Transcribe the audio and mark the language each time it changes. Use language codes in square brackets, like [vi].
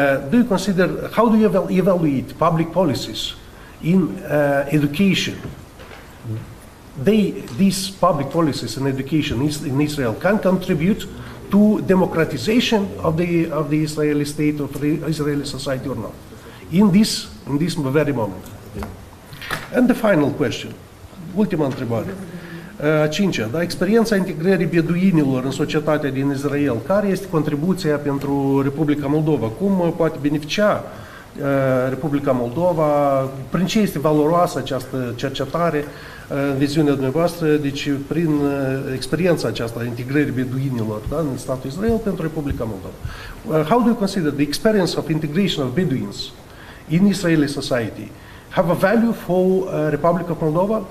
[en] Do you consider, how do you evaluate public policies in education? These public policies in education in Israel can contribute to democratization of the Israeli state, of the Israeli society or not? In this very moment. And the final question. [ro] Ultima întrebare, a cincea, da? Experiența integrării beduinilor în societatea din Israel, care este contribuția pentru Republica Moldova? Cum poate beneficia Republica Moldova? Prin ce este valoroasă această cercetare, viziunea dumneavoastră, deci prin experiența aceasta integrării beduinilor, da, în statul Israel pentru Republica Moldova? [en] How do you consider the experience of integration of Bedouins in Israeli society have a value for Republic of Moldova?